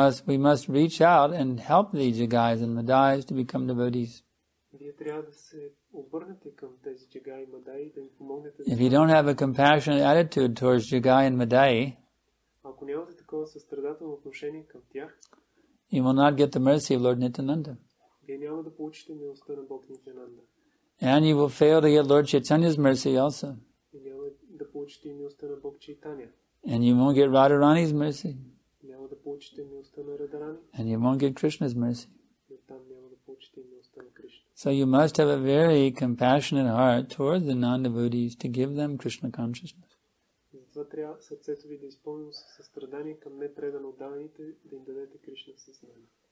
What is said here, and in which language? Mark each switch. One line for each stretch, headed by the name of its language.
English: We must reach out and help the Jagais and Madais to become devotees.
Bulgarian: Вие трябва да се обърнете към тези Джагаи и Мадаи и да им помогнете.
English: If you don't have a compassionate attitude towards Jagai and Madai,
Bulgarian: ако нямате такова състрадателно отношение към тях,
English: you will not get the mercy of Lord Nityananda.
Bulgarian: Вие няма да получите милостта на Бог Нитянанда.
English: And you will fail to get Lord Chaitanya's mercy also.
Bulgarian: Вие няма да получите милостта на Бог Чайтанья.
English: And you won't get Radharani's mercy.
Bulgarian: Няма да получите милостта на Радарани.
English: And you won't get Krishna's mercy.
Bulgarian: И оттам няма да получите милостта на Кришна.
English: So you must have a very compassionate heart towards the non-devotees to give them Krishna consciousness.
Bulgarian: Затова трябва сърцето ви да изпълнено със състрадание към непреданоотдадените, да им дадете Кришна съзнание.